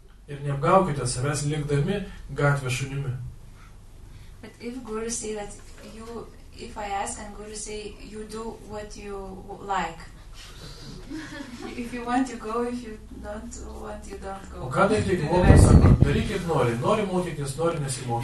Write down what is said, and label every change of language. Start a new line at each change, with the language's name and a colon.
Lithuanian: Ir neapgaukite savęs likdami gatvės šunimi.
English: But if Guru say that you, if I ask and Guru say you do what you like. If you want you go, if you don't want you don't go.
Lithuanian: O ką daryti, jeigu mokytis sako, daryk kaip nori, nori mokytis, nori nesimokyti.